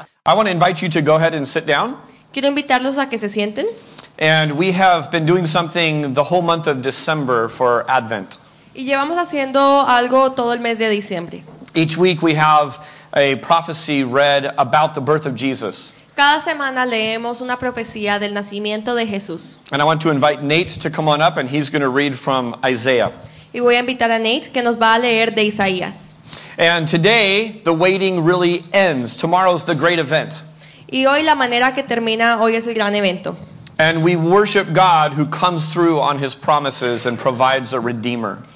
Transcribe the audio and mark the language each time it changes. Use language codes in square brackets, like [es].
[en] I want to invite you to go ahead and sit down. [es] Quiero invitarlos a que se sienten. [en] And we have been doing something the whole month of December for Advent. [es] Y llevamos haciendo algo todo el mes de diciembre. [en] Each week we have a prophecy read about the birth of Jesus. [es] Cada semana leemos una profecía del nacimiento de Jesús. [en] And I want to invite Nate to come on up and he's going to read from Isaiah. [es] Y voy a invitar a Nate que nos va a leer de Isaías. [en] And today the waiting really ends. Tomorrow's the great event. [es] Y hoy la manera que termina hoy es el gran evento. [en] And we worship God who comes through on his promises and provides a redeemer.